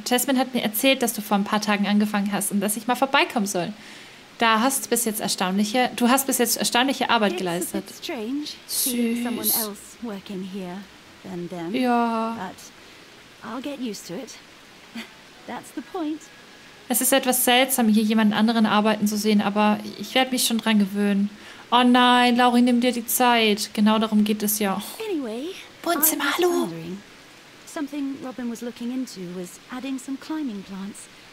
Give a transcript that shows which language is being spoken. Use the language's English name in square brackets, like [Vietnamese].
[German] Jasmine hat mir erzählt, dass du vor ein paar Tagen angefangen hast und dass ich mal vorbeikommen soll. Du hast bis jetzt erstaunliche Arbeit geleistet. [English] It's strange seeing someone else working here than them. [German] Ja. [English] But I'll get used to it. That's the point. [German] Es ist etwas seltsam, hier jemanden anderen arbeiten zu sehen, aber ich werde mich schon dran gewöhnen. Oh nein, Laurie, nimm dir die Zeit. Genau darum geht es ja. [English] Anyway, [German] Wohnzimmer, hallo. [English] Something Robin was looking into was adding some climbing plants.